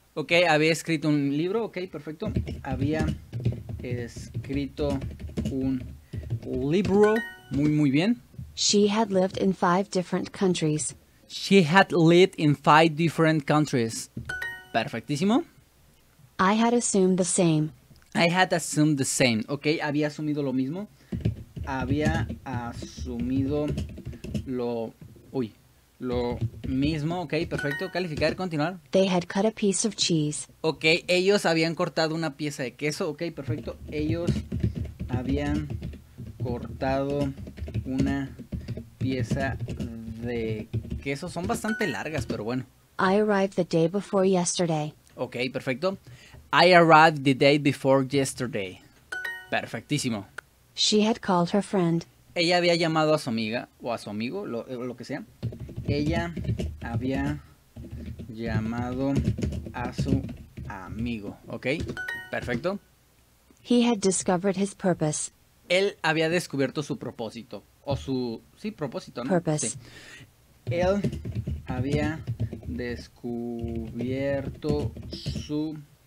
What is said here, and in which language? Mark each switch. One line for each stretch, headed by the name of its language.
Spanish: Ok, había escrito un libro, ok, perfecto. Había escrito un libro, muy muy bien.
English: She had lived in 5 different countries. She had lived in 5 different countries.
Spanish: Perfectísimo.
English: I had assumed the same. I had assumed the same.
Spanish: Ok, había asumido lo mismo. Había asumido lo... Uy, lo mismo. Ok, perfecto. Calificar, continuar.
English: They had cut a piece of cheese.
Spanish: Ok, ellos habían cortado una pieza de queso. Ok, perfecto. Ellos habían cortado una pieza de queso. Son bastante largas, pero bueno.
English: I arrived the day before yesterday.
Spanish: Ok, perfecto.
English: I arrived the day before yesterday.
Spanish: Perfectísimo.
English: She had called her friend.
Spanish: Ella había llamado a su amiga o a su amigo, lo que sea. Ella había llamado a su amigo. Ok, perfecto.
English: He had discovered his purpose.
Spanish: Él había descubierto su propósito. O su... Sí, propósito, ¿no?
English: Purpose.
Spanish: Sí. Él había descubierto su...